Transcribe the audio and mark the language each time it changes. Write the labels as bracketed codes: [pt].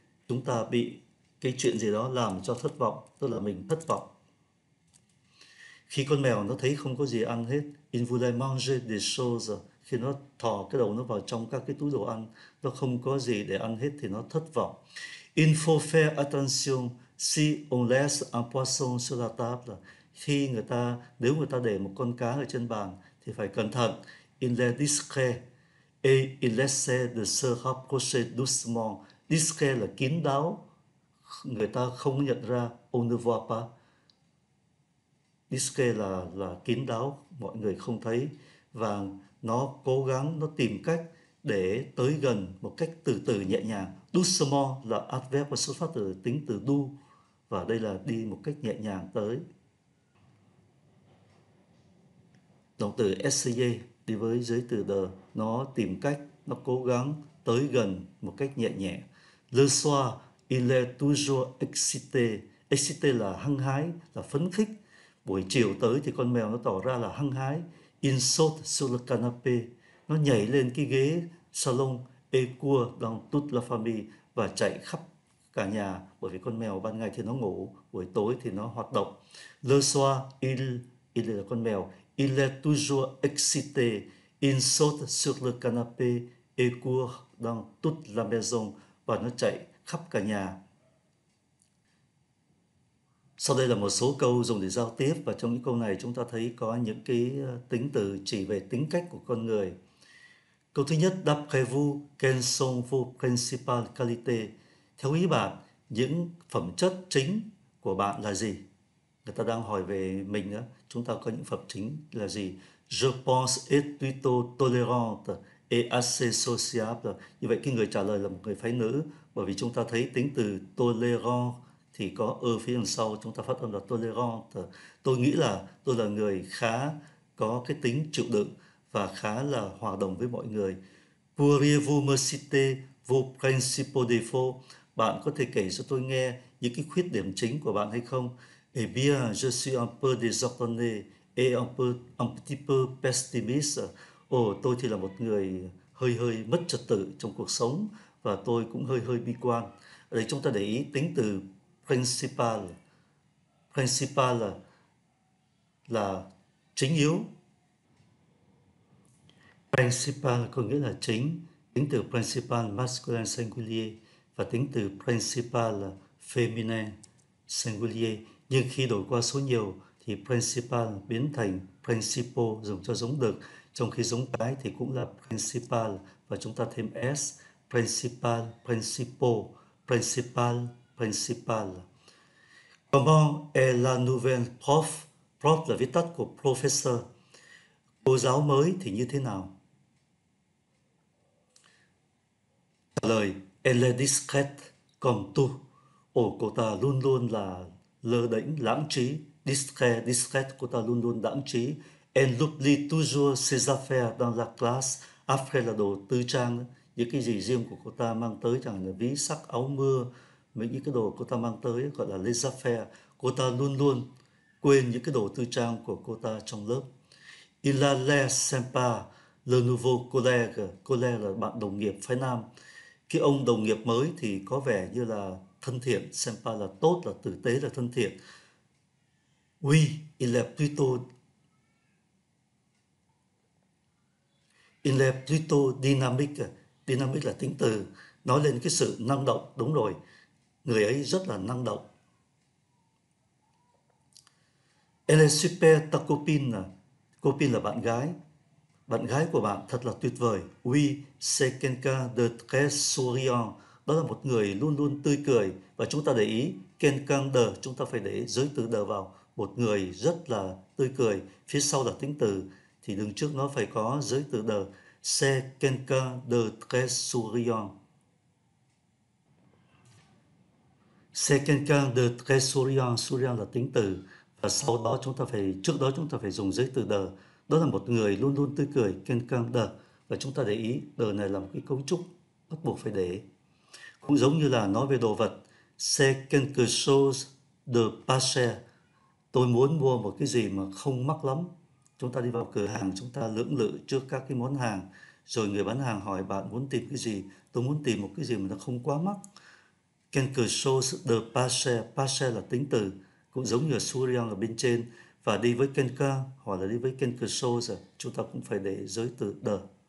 [vi] Chúng ta bị cái chuyện gì đó làm cho thất vọng, tức là mình thất vọng. Khi con mèo nó thấy không có gì ăn hết, [fr] il voulait manger des choses, [vi] khi nó thò cái đầu nó vào trong các cái túi đồ ăn, nó không có gì để ăn hết thì nó thất vọng. [fr] Il faut faire attention si on laisse un poisson sur la table. [vi] Khi người ta, nếu người ta để một con cá ở trên bàn thì phải cẩn thận. [fr] Il est discret et il essaie de se rapprocher doucement. [vi] Discret là kín đáo, người ta không nhận ra, [fr] on ne voit pas. [vi] Discret là kín đáo, mọi người không thấy, và nó cố gắng, nó tìm cách để tới gần một cách từ từ nhẹ nhàng. Doucement là adverb và xuất phát từ tính từ du, và đây là đi một cách nhẹ nhàng tới. Động từ essayer đi với giấy từ de, nó tìm cách, nó cố gắng tới gần một cách nhẹ nhẹ. [fr] Le soir, il est toujours excité. [vi] Excité là hăng hái, là phấn khích. Buổi chiều tới thì con mèo nó tỏ ra là hăng hái. [fr] Il saute sur le canapé. [vi] Nó nhảy lên cái ghế salon [fr] et court dans toute la famille, [vi] và chạy khắp cả nhà, bởi vì con mèo ban ngày thì nó ngủ, buổi tối thì nó hoạt động. [fr] Le soir, il [vi] là con mèo, [fr] il est toujours excité, il saute sur le canapé et court dans toute la maison, [vi] và nó chạy khắp cả nhà. Sau đây là một số câu dùng để giao tiếp, và trong những câu này chúng ta thấy có những cái tính từ chỉ về tính cách của con người. Câu thứ nhất, [fr] d'après vous, quelles sont vos principales qualités? [vi] Theo ý bạn, những phẩm chất chính của bạn là gì? Người ta đang hỏi về mình đó. Chúng ta có những phẩm chính là gì? [fr] Je pense être plutôt tolérante et assez sociable. [vi] Như vậy, cái người trả lời là một người phái nữ, bởi vì chúng ta thấy tính từ tolérant thì có ơ phía đằng sau, chúng ta phát âm là tolérante. Tôi nghĩ là tôi là người khá có cái tính chịu đựng và khá là hòa đồng với mọi người. [fr] Pourriez-vous me citer vos principaux défauts? [vi] Bạn có thể kể cho tôi nghe những cái khuyết điểm chính của bạn hay không? [fr] Eh bien, je suis un peu désordonné et un petit peu pessimiste. [vi] Tôi thì là một người hơi hơi mất trật tự trong cuộc sống và tôi cũng hơi hơi bi quan. Ở đây chúng ta để ý tính từ principal. Principal là chính yếu. Principal có nghĩa là chính. Tính từ principal masculine singulier và tính từ principal feminine singulier. Nhưng khi đổi qua số nhiều thì principal biến thành principal dùng cho giống đực. Trong khi giống cái thì cũng là principal và chúng ta thêm S. [fr] Principal, principal, principal, principal. Comment est la nouvelle prof? [vi] Prof là viết tắt của professor. Cô giáo mới thì như thế nào? Trả lời, [fr] elle est discrète comme tout. [vi] Cô ta luôn luôn là lơ đễnh, lãng trí. Discrète, discrète, cô ta luôn luôn lãng trí. [fr] Elle oublie toujours ses affaires dans la classe. [vi] Après là đồ tư trang, những cái gì riêng của cô ta mang tới, chẳng hạn là ví sắc, áo mưa, mấy những cái đồ cô ta mang tới gọi là les affaires. Cô ta luôn luôn quên những cái đồ tư trang của cô ta trong lớp. [fr] Il a l'air sympa, le nouveau collègue. [vi] Collègue là bạn đồng nghiệp phái nam. Cái ông đồng nghiệp mới thì có vẻ như là thân thiện. Sympa là tốt, là tử tế, là thân thiện. [fr] Oui, il est plutôt dynamique. [vi] Dynamique là tính từ, nói lên cái sự năng động. Đúng rồi, người ấy rất là năng động. [fr] Elle est super ta copine. [vi] Copine là bạn gái. Bạn gái của bạn thật là tuyệt vời. [fr] Oui, c'est quelqu'un de très souriant. [vi] Đó là một người luôn luôn tươi cười. Và chúng ta để ý, [fr] quelqu'un de, [vi] chúng ta phải để giới từ de vào. Một người rất là tươi cười. Phía sau là tính từ, thì đứng trước nó phải có giới từ de. [fr] C'est quelqu'un de très souriant. C'est quelqu'un de très souriant. [vi] Souriant là tính từ. Và sau đó chúng ta phải, trước đó chúng ta phải dùng giới từ de. Đó là một người luôn luôn tươi cười. [fr] Quelqu'un de. [vi] Và chúng ta để ý, de này là một cái cấu trúc bắt buộc phải để. Cũng giống như là nói về đồ vật. [fr] C'est quelque chose de pas cher. [vi] Tôi muốn mua một cái gì mà không mắc lắm. Chúng ta đi vào cửa hàng, chúng ta lưỡng lự trước các cái món hàng. Rồi người bán hàng hỏi bạn muốn tìm cái gì. Tôi muốn tìm một cái gì mà nó không quá mắc. [fr] Quelque chose de pas cher. [vi] Pas cher là tính từ. Cũng giống như Surian ở bên trên. Và đi với quelque hoặc là đi với quelque chose, chúng ta cũng phải để giới từ de.